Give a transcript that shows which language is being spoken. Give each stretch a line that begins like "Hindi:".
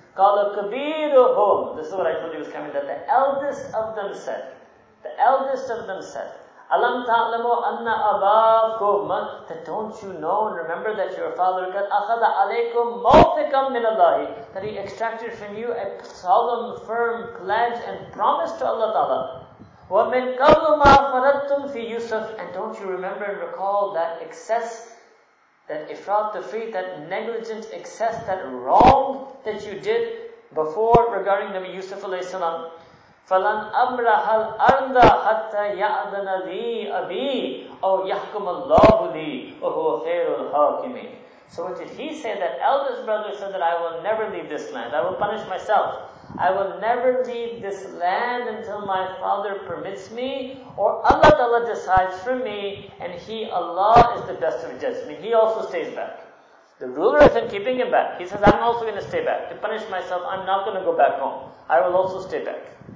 Arabic: قَالَ كَبِيرُهُمْ
English: This is what I told you was coming, that the eldest of them said,
Arabic: أَلَمْ تَعْلَمُوا أَنَّ أَبَاكُمْ
English: That don't you know and remember that your father
Arabic: قَدْ أَخَذَ عَلَيْكُمْ مَوْثِقًا مِنَ اللَّهِ
English: That he extracted from you a solemn, firm pledge and promise to Allah Ta'ala.
Arabic: وَمِنْ قَبْلُ مَا فَرَدْتُمْ فِي يُوسُفْ
English: And don't you remember and recall that excess, that ifrat tafrit, that negligent excess, that wrong that you did before regarding Nabi Yusuf alayhi salam.
Arabic: فَلَنْ أَمْرَحَ الْأَرْضَ حَتَّى يَعْدَنَ لِي أَبِي أَوْ يَحْكُمَ اللَّهُ لِي وَهُوَ خَيْرُ الْحَاكِمِينَ
English: So what did he say? That eldest brother said that I will never leave this land. I will punish myself. I will never leave this land until my father permits me or Allah Ta'ala decides for me and he, Allah, is the best of judgment. He also stays back. The ruler is in keeping him back. He says, I'm also going to stay back. To punish myself, I'm not going to go back home. I will also stay back.